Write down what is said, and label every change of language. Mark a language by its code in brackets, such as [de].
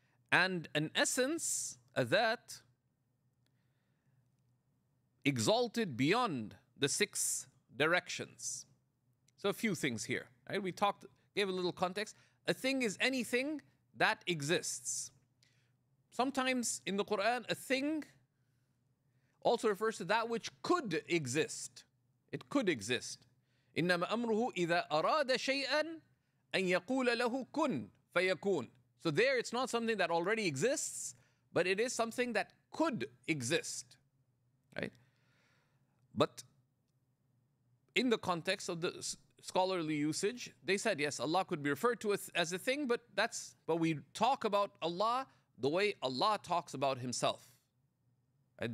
[en] And an essence, a that, exalted beyond the six directions. So a few things here. Right? We talked, gave a little context. A thing is anything that exists. Sometimes in the Quran, a thing also refers to that which could exist. It could exist. [ar] إِنَّمَا أَمْرُهُ إِذَا أَرَادَ شَيْئًا أَنْ يَقُولَ لَهُ كُنْ فَيَكُونَ. [en] So there, it's not something that already exists, but it is something that could exist, right? But in the context of the scholarly usage, they said, yes, Allah could be referred to as a thing, but we talk about Allah the way Allah talks about himself, right?